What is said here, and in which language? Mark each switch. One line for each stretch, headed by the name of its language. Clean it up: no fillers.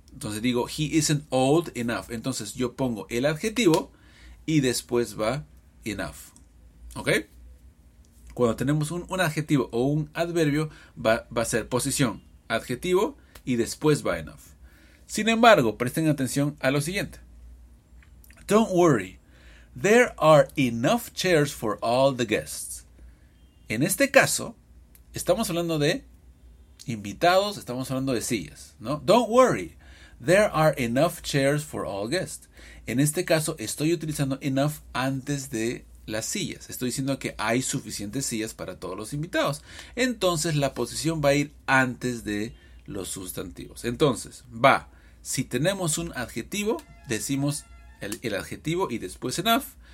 Spanish: Entonces digo,
English: he isn't old enough.
Spanish: Entonces, yo pongo el adjetivo y después va enough. ¿Ok? Cuando tenemos un adjetivo o un adverbio, va a ser posición, adjetivo y después va enough. Sin embargo, presten atención a lo siguiente.
English: Don't worry, there are enough chairs for all the guests.
Spanish: En este caso, estamos hablando de invitados, estamos hablando de sillas, ¿no?
English: Don't worry, there are enough chairs for all guests.
Spanish: En este caso, estoy utilizando enough antes de las sillas. Estoy diciendo que hay suficientes sillas para todos los invitados. Entonces, la posición va a ir antes de los sustantivos. Entonces, va. Si tenemos un adjetivo, decimos el adjetivo y después enough.